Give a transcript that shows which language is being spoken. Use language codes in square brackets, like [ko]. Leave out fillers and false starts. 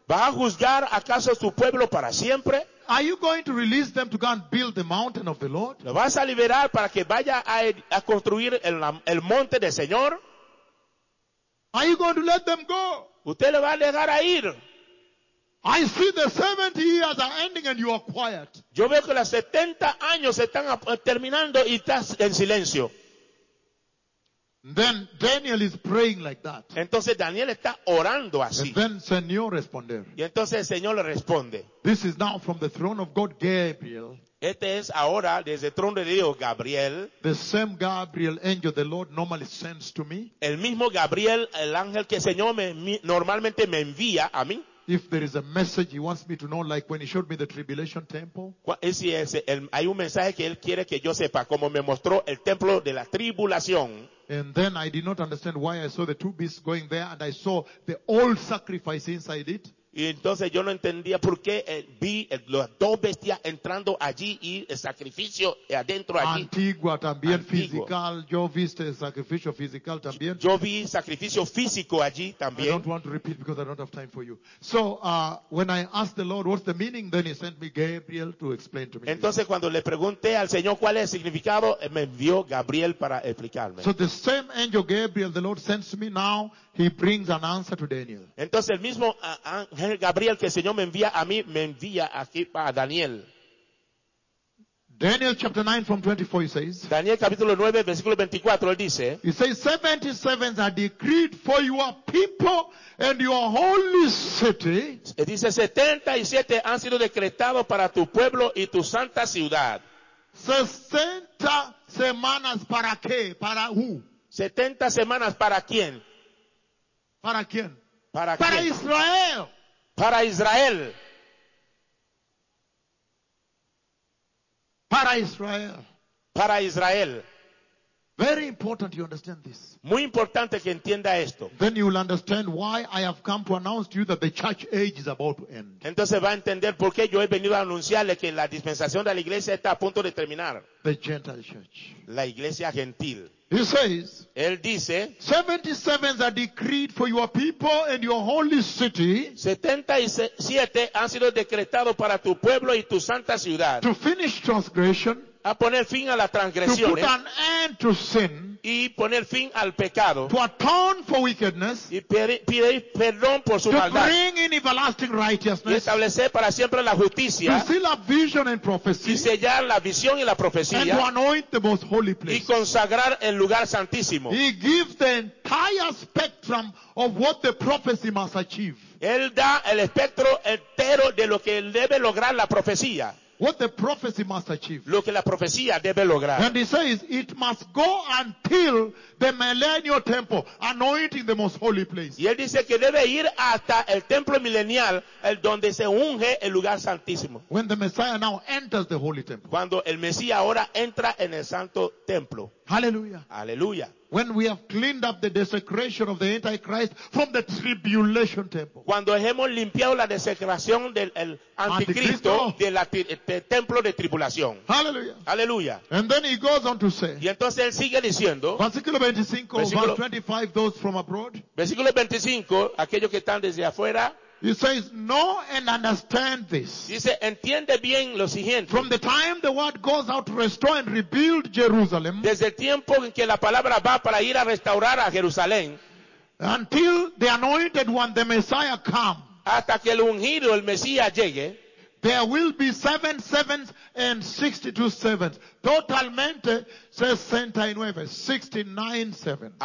[es] ¿Va a juzgar acaso su pueblo para siempre? [en] Are you going to release them to go and build the mountain of the Lord? [es] ¿Lo vas a liberar para que vaya a construir el monte del Señor? [en] Are you going to let them go? [es] ¿Usted le va a dejar a ir? [en] I see the 70 years are ending and you are quiet. [es] Yo veo que los 70 años están terminando y estás en silencio. [en] Then Daniel is praying like that. [es] Entonces Daniel está orando así. [en] And then [es] Señor responde. Y entonces el Señor le responde. [en] This is now from the throne of God, Gabriel. [es] Este es ahora desde el trono de Dios, Gabriel. [en] The same Gabriel, angel the Lord normally sends to me. [es] El mismo Gabriel, el ángel que el Señor normalmente me envía a mí. [en] If there is a message he wants me to know, like when he showed me the tribulation temple. [es] Hay un mensaje que él quiere que yo sepa, como me mostró el templo de la tribulación. [en] And then I did not understand why I saw the two beasts going there and I saw the old sacrifice inside it. [es] Y entonces yo no entendía por qué vi las dos bestias entrando allí y el sacrificio adentro allí. Antigua también, antiguo. Physical. Yo viste el sacrificio physical también. Yo vi sacrificio físico allí también. [en] I don't want to repeat because I don't have time for you. So when I asked the Lord what's the meaning, then he sent me Gabriel to explain to me. [es] Entonces cuando le pregunté al Señor cuál es el significado, me envió Gabriel para explicarme. [en] So the same angel Gabriel the Lord sends to me now, he brings an answer to Daniel. [es] Entonces el mismo Gabriel que el Señor me envía a mí, me envía aquí para Daniel. [en] Daniel chapter 9 from 24 he says. [es] Daniel capítulo 9 versículo 24 él dice. [en] He says 77s are decreed for your people and your holy city. [es] Él dice 77 han sido decretados para tu pueblo y tu santa ciudad. 60 semanas para qué? Para [en] who? [es] 70 semanas para quién? ¿Para quién? ¿Para quién? Para Israel. Para Israel. Para Israel. Para Israel. [en] Very important you understand this. [es] Muy importante que entienda esto. [en] Then you will understand why I have come to announce to you that the church age is about to end. [es] Entonces va a entender por qué yo he venido a anunciarle que la dispensación de la iglesia está a punto de terminar. [en] The Gentile church. [es] La iglesia gentil. [en] He says, [es] él dice, [en] 77 are decreed for your people and your holy city. [es] 77 han sido decretados para tu pueblo y tu santa ciudad. [en] To finish transgression. [es] A poner fin a la transgresión. [en] To put an end to sin. [es] Y poner fin al pecado. [en] To atone for wickedness. [es] Y pedir perdón por su [en] to [es] maldad. [en] To bring in everlasting righteousness. [es] Y establecer para siempre la justicia. [en] To seal up vision and prophecy. [es] Y sellar la visión y la profecía. [en] And to anoint the most holy place. [es] Y consagrar el lugar santísimo. [en] He gives the entire spectrum of what the prophecy must achieve. [es] Él da el espectro entero de lo que debe lograr la profecía. [en] What the prophecy must achieve. [es] Lo que la profecía debe lograr. [en] And he says it must go until the millennial temple, anointing the most holy place. [es] Y él dice que debe ir hasta el templo milenial, el donde se unge el lugar santísimo. [en] When the Messiah now enters the holy temple. [es] Cuando el Mesías ahora entra en el santo templo. [en] Hallelujah. [es] Hallelujah. [en] When we have cleaned up the desecration of the Antichrist from the tribulation temple. [es] Cuando hemos limpiado la desecración del el anticristo del templo de tribulación. [en] Hallelujah. [es] Hallelujah. [en] And then he goes on to say. [es] Y entonces él sigue diciendo. Versículo 25, versículo, [en] verse 25, those from abroad. [es] Versículo 25, aquellos que están desde afuera. [en] He says, know and understand this. [es] Dice, entiende bien lo siguiente. [en] From the time the word goes out to restore and rebuild Jerusalem. [es] Desde el tiempo en que la palabra va para ir a restaurar a Jerusalén. [en] Until the anointed one, the Messiah, come. [es] Hasta que el ungido, el Mesías, llegue. [en] There will be 7 sevens and 62 sevens. [es] Totalmente 69, 69 sevens.